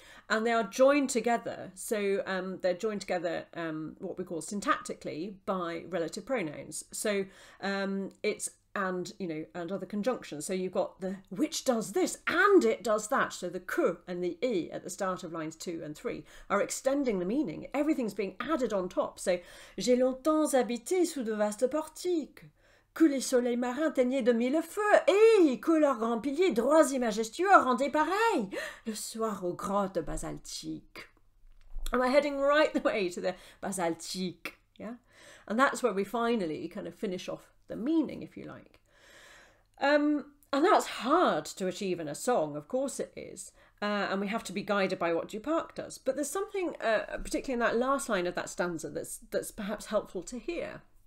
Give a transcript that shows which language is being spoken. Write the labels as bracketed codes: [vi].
[en] And they are joined together. So they're joined together, what we call syntactically, by relative pronouns. So it's and, you know, and other conjunctions. So you've got the which does this and it does that. So the ku and the I at the start of lines 2 and 3 are extending the meaning. Everything's being added on top. [fr] So j'ai longtemps habité sous de vastes portiques. Que les soleils marins teignaient de mille feux et que leurs grands piliers droits et majestueux rendaient pareil le soir aux grottes basaltiques. [en] Am I heading right the way to the basaltique? Yeah? And that's where we finally kind of finish off the meaning, if you like. And that's hard to achieve in a song, of course it is. And we have to be guided by what Duparc does. But there's something, particularly in that last line of that stanza, that's perhaps helpful to hear.